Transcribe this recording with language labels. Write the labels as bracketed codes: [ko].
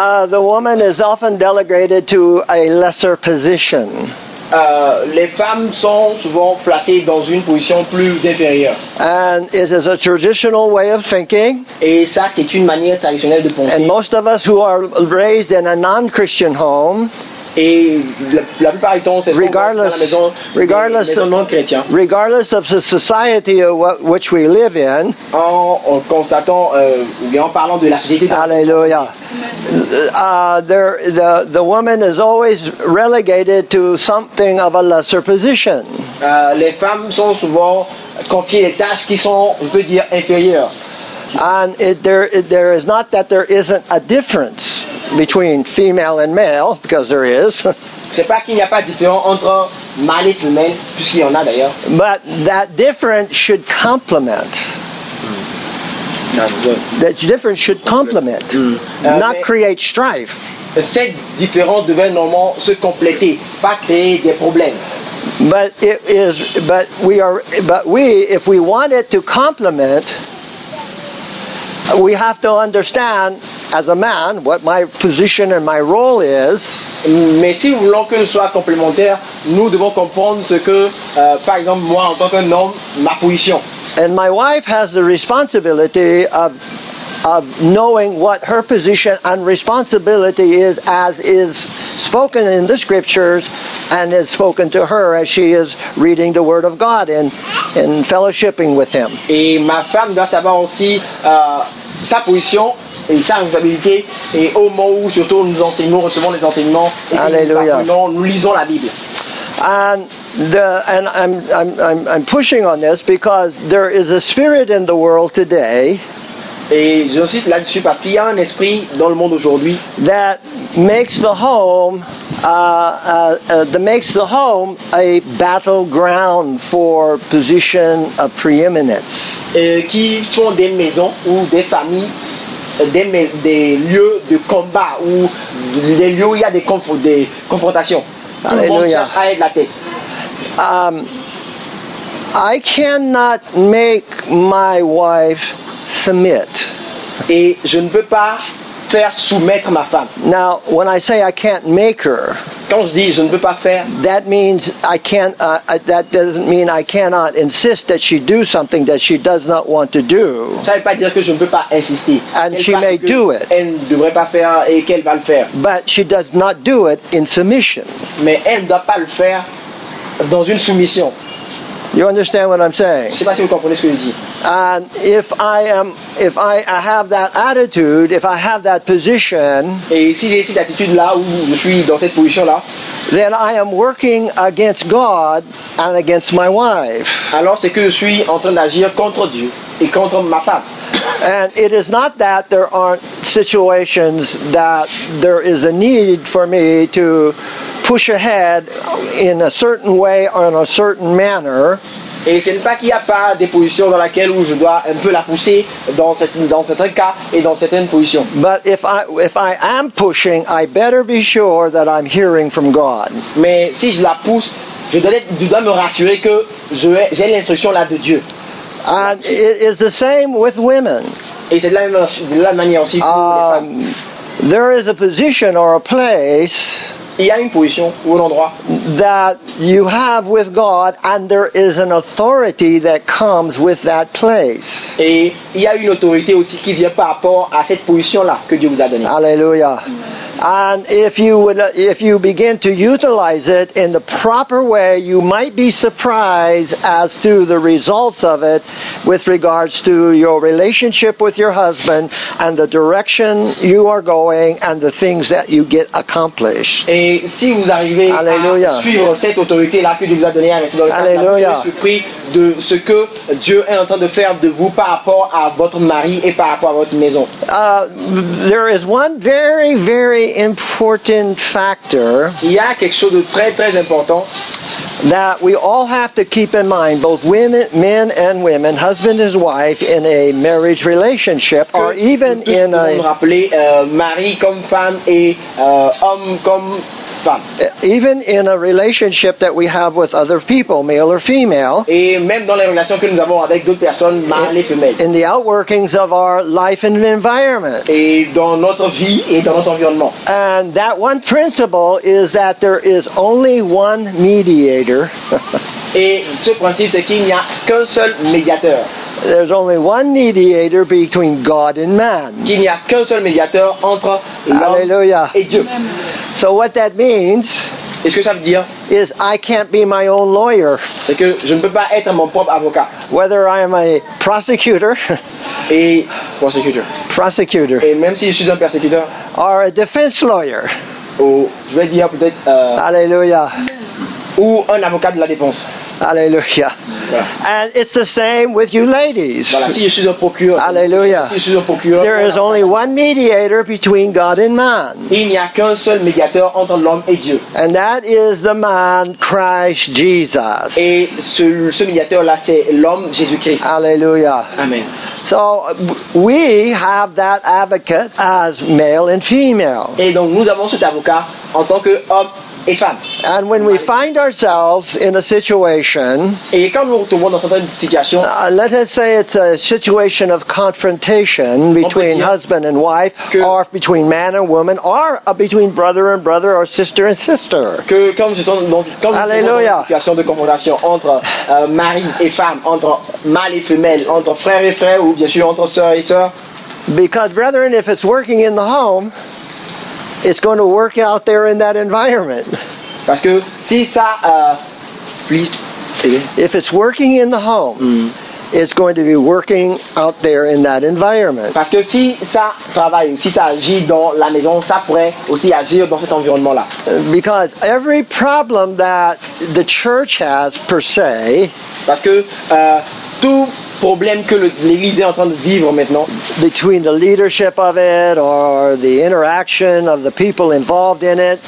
[en] The woman is often delegated to a lesser position. [fr] Les femmes sont souvent placées dans une position plus inférieure. [en] And it is a traditional way of thinking. [fr] Et ça, c'est une manière traditionnelle de penser. [en] And most of us who are raised in a non-Christian home, [fr] et la plupart du temps, c'est [en] regardless, [fr] dans la maison, maison non chrétien. [en] Regardless of the society which we live in, [fr] en constatant, en parlant de la société. [en] Hallelujah. The woman is always relegated to something of a lesser position. [fr] Les femmes sont souvent confiées des tâches qui sont, on peut dire, inférieures. [en] And there is not that there isn't a difference between female and male, because there is. [fr] C'est pas qu'il n'y a pas de différence entre mâle et femelle, puisqu'il y en a d'ailleurs. [en] But that difference should complement. That difference should complement, not create strife. [fr] Cette différence devait normalement se compléter, pas créer des problèmes. [en] But it is. But we are. But we, if we want it to complement, we have to understand, as a man, what my position and my role is. [fr] Mais si nous voulons que ce soit complémentaire, nous devons comprendre ce que, par exemple, moi, en tant qu'homme, ma position. [en] And my wife has the responsibility of knowing what her position and responsibility is, as is spoken in the scriptures, and is spoken to her as she is reading the word of God and fellowshipping with him. [fr] Et ma femme doit savoir aussi sa position et sa responsabilité, et au moment où surtout nous enseignons, recevons les enseignements, nous lisons la Bible. [en] And I'm pushing on this because there is a spirit in the world today. [fr] Et je cite là-dessus parce qu'il y a un esprit dans le monde aujourd'hui [en] that makes the home that makes the home a battleground for position of preeminence. [fr] Qui font des maisons ou des familles des lieux de combat ou des lieux où il y a des confrontations. [en] Hallelujah. [fr] Tout le monde cherche à être la tête. [en] I cannot make my wife submit. [fr] Et je ne peux pas faire soumettre ma femme. [en] Now, when I say I can't make her, [fr] quand je dis je ne peux pas faire, [en] that means I can't. That doesn't mean I cannot insist that she do something that she does not want to do. [fr] Ça ne veut pas dire que je ne peux pas insister. [en] And she may do it. [fr] Elle ne devrait pas faire et qu'elle va le faire. [en] But she does not do it in submission. [fr] Mais elle ne doit pas le faire dans une soumission. [en] You understand what I'm saying? [fr] Je sais pas si vous comprenez ce que je dis. [en] And if I have that attitude, if I have that position, [fr] et si j'ai cette attitude là où je suis dans cette position là, [en] then I am working against God and against my wife. [fr] Alors c'est que je suis en train d'agir contre Dieu et contre ma femme. [en] And it is not that there aren't situations that there is a need for me to push ahead in a certain way or in a certain manner. [fr] Et ce n'est pas qu'il n'y a pas des positions dans lesquelles où je dois un peu la pousser dans certains cas et dans certaines positions. [en] But if I am pushing, I better be sure that I'm hearing from God. [fr] Mais si je la pousse, je dois me rassurer que j'ai l'instruction là de Dieu. [en] And it is the same with women. [fr] Et c'est de la manière aussi pour les femmes. [en] There is a position or a place. [fr] Il y a une position ou un endroit [en] that you have with God, and there is an authority that comes with that place. [fr] Et il y a une autorité aussi qui vient par rapport à cette position là que Dieu vous a donnée. Alléluia. [en] And if you begin to utilize it in the proper way, you might be surprised as to the results of it with regards to your relationship with your husband and the direction you are going and the things that you get accomplished. [fr] Et si vous arrivez Alléluia. À suivre cette autorité là que Dieu vous a donnée, Alléluia. Vous êtes surpris de ce que Dieu est en train de faire de vous par rapport à votre mari et par rapport à votre maison. [en] There is one very, very important factor. [fr] Il y a quelque chose de très, très important [en] that we all have to keep in mind, both women, men and women, husband and wife, in a marriage relationship, or even in a [fr] rappeler, mari comme femme et homme comme femme. [en] Even in a relationship that we have with other people, male or female. [fr] Et même dans les relations que nous avons avec d'autres personnes, mâles et femelles. [en] In the outworkings of our life and environment. [fr] Et dans notre vie et dans notre environnement. [en] And that one principle is that there is only one mediator. [fr] Et ce principe, c'est qu'il n'y a qu'un seul médiateur. [en] There's only one mediator between God and man. [fr] Qu'il n'y a qu'un seul médiateur entre l'homme Alléluia. Et Dieu. [en] So what that means [fr] est-ce que ça veut dire? [en] Is I can't be my own lawyer. [fr] C'est que je ne peux pas être mon propre avocat. [en] Whether I am a prosecutor [fr] et prosecutor. [en] Prosecutor. [fr] Et même si je suis un persécuteur. [en] Or a defense lawyer. [fr] Ou je vais dire peut-être Alléluia. Ou un avocat de la défense. [en] Alléluia. And it's the same with you ladies. [fr] Voilà, si je suis un procureur. Alléluia. Si je suis un procureur. [en] There is only one mediator between God and man. [fr] Il n'y a qu'un seul médiateur entre l'homme et Dieu. [en] And that is the man Christ Jesus. [fr] Et ce médiateur là c'est l'homme Jésus-Christ. Alléluia. Amen. [en] So we have that advocate as male and female. [fr] Et donc nous avons cet avocat en tant que homme. [en] And when we find ourselves in a situation, [fr] et quand nous retrouvons dans certaines situations, [en] let us say it's a situation of confrontation between husband and wife, or between man and woman, or between brother and brother, or sister and sister. [fr] Que quand nous sommes dans une situation de confrontation entre mari et femme, entre mâle et femelle, entre frère et frère, ou bien sûr entre sœur et sœur. [en] Because brethren, if it's working in the home. It's going to work out there in that environment. [fr] Parce que si ça, [en] if it's working in the home, it's going to be working out there in that environment. [fr] Parce que si ça travaille, si ça agit dans la maison, ça pourrait aussi agir dans cet environnement-là. [en] Because every problem that the church has per se. [fr] Parce que tout problème que l'Église est en train de vivre maintenant. [en] Between the leadership of it or the interaction of the people involved in it.